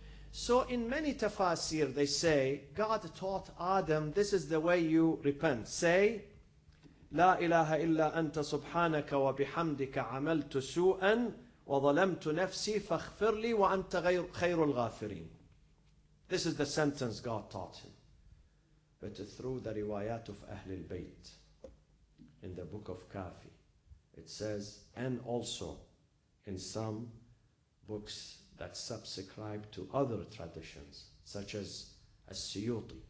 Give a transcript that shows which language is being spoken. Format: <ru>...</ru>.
<en>So in many tafasir, they say, God taught Adam, this is the way you repent.</en> <ar>Say, لا إله إلا أنت سبحانك وبحمدك عملت سوءا وظلمت نفسي فاغفر لي وأنت خير الغافرين.</ar> <en>This is the sentence God taught him. But through the riwayat of Ahl al-Bayt, in the book of Kafi, it says, and also in some books that subscribe to other traditions, such as As-Suyuti.</en>